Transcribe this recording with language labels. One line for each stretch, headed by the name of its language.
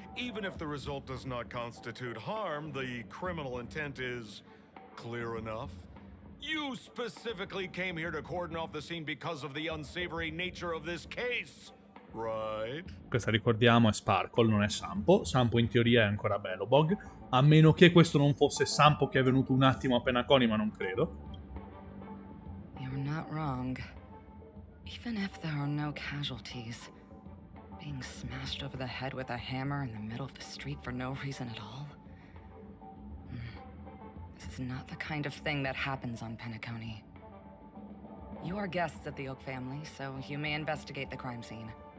English: Even if the result does not constitute harm, the criminal intent is clear enough. You specifically came here to cordon off the scene because of the unsavory nature of this case, right?
Italian: Questa, ricordiamo, è Sparkle, non è Sampo. Sampo in teoria è ancora Belobog. A meno che questo non fosse Sampo che è venuto un attimo a Penacony, ma non credo.
English: You're not wrong. Even if there are no casualties, being smashed over the head with a hammer in the middle of the street for no reason at all. This is not the kind of thing that happens on Penacony. You are guests at the Oak family, so you may investigate the crime scene.